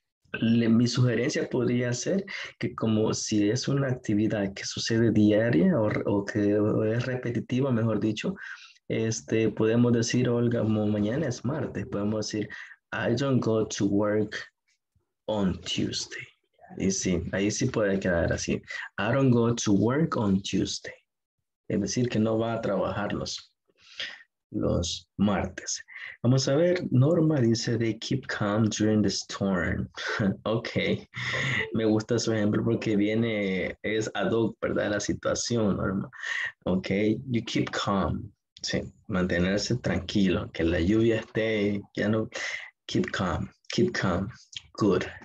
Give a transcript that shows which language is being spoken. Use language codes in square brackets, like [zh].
[es] Mi sugerencia podría ser que como si es una actividad que sucede diaria o es repetitiva, mejor dicho, podemos decir, Olga, mañana es martes, podemos decir, [en] I don't go to work on Tuesday. [es] Y sí, ahí sí puede quedar así. [en] I don't go to work on Tuesday. [es] Es decir, que no va a trabajar los martes. Vamos a ver, Norma dice, [en] they keep calm during the storm. [es] Ok, me gusta su ejemplo porque viene, es ad hoc, ¿verdad? La situación, Norma. Ok, [en] you keep calm. [es] Sí, mantenerse tranquilo, que la lluvia esté, ya no, keep calm. Good.